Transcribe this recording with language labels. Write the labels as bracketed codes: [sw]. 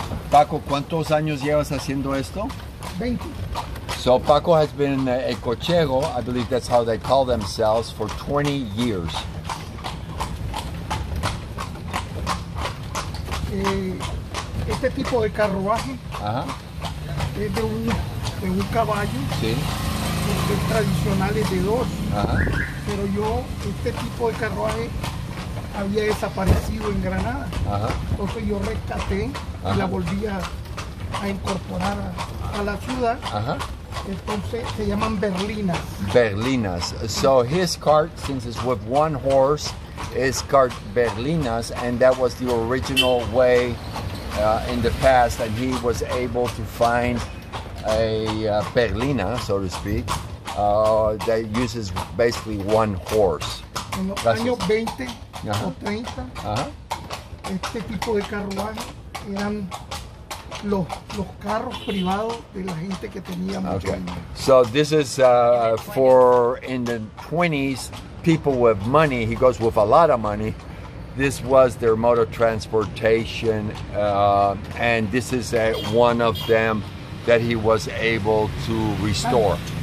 [es] Paco, ¿cuántos años llevas haciendo esto? 20. [en] So Paco has been a cochero, I believe that's how they call themselves, for 20 years. [es] Este tipo de carruaje es de un caballo. Sí. El tradicional es de dos. Ajá. Pero yo, este tipo de carruaje había desaparecido en Granada. Ajá. Entonces yo rescaté. Uh-huh. La volví a incorporar a la ciudad. Ajá. Entonces, se llaman berlinas. Berlinas. [en] So his cart, since it's with one horse, is cart berlinas, and that was the original way in the past that he was able to find a berlina, so to speak, that uses basically one horse. [es] En los [en] That's [es] años 20 uh-huh. o 30, uh-huh. este tipo de carruaje eran los carros privados de la gente que tenía mucho okay. dinero. [en] So this is for in the 20s, people with money, he goes with a lot of money, this was their mode of transportation, and this is one of them that he was able to restore.